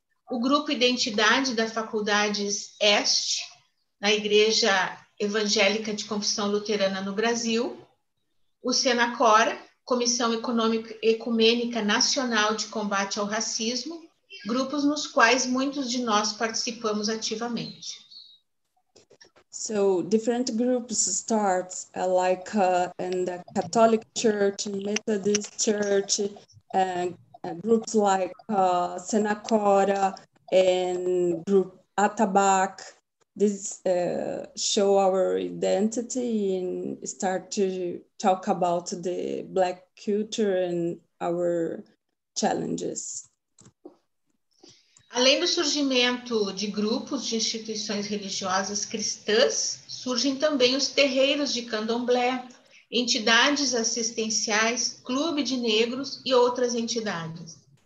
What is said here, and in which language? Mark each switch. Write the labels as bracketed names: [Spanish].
[Portuguese] O Grupo Identidade da Faculdades Este, na Igreja Evangélica de Confissão Luterana no Brasil. O SENACORA, Comissão Ecumênica Nacional de Combate ao Racismo, grupos nos quais muitos de nós participamos ativamente. [English] So, different groups start, like in the Catholic Church, Methodist Church, and groups like SENACORA and group ATABAC. This show our identity and start to talk about the Black culture and our challenges. [Portuguese] Além do surgimento de grupos de instituições religiosas cristãs, surgem também os terreiros de candomblé entidades assistenciais, clube de negros e outras entidades.